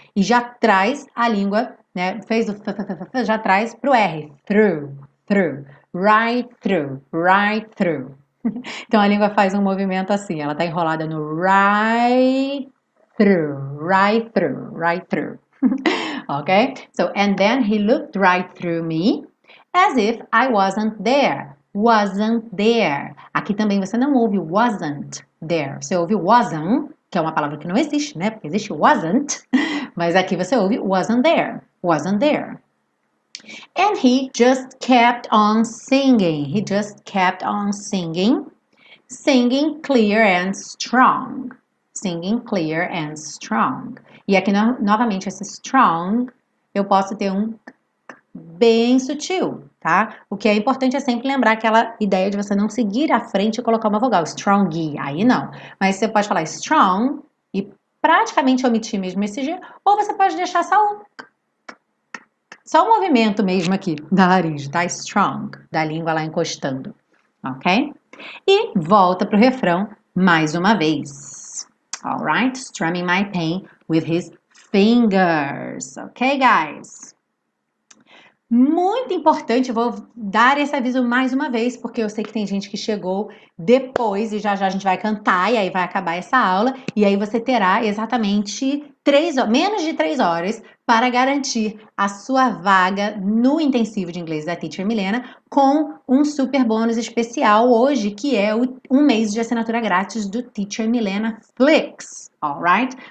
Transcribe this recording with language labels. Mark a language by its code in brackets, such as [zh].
[pt] E já traz a língua, né? Fez o th, já traz pro R. [en] Through, through, right through, right through. [pt] Então a língua faz um movimento assim, ela tá enrolada no [en] right through, right through, right through. Okay? So, and then he looked right through me as if I wasn't there. Wasn't there. [pt] Aqui também você não ouve [en] wasn't there. [pt] Você ouve wasn't, que é uma palavra que não existe, né? Porque existe wasn't, mas aqui você ouve [en] wasn't there. Wasn't there. And he just kept on singing. He just kept on singing. Singing clear and strong. Singing clear and strong. [pt] E aqui no novamente esse strong, eu posso ter um bem sutil, tá? O que é importante é sempre lembrar aquela ideia de você não seguir à frente e colocar uma vogal, strong, aí não. Mas você pode falar strong e praticamente omitir mesmo esse G, ou você pode deixar só o movimento mesmo aqui da laringe, tá? Strong, da língua lá encostando, ok? E volta pro refrão mais uma vez. [en] All right, strumming my pain with his fingers. Okay, guys? [pt] Muito importante, vou dar esse aviso mais uma vez, porque eu sei que tem gente que chegou depois e já já a gente vai cantar e aí vai acabar essa aula e aí você terá exatamente menos de 3 horas para garantir a sua vaga no intensivo de inglês da Teacher Milena com um super bônus especial hoje, que é um mês de assinatura grátis do Teacher Milena Flix, [en] all right?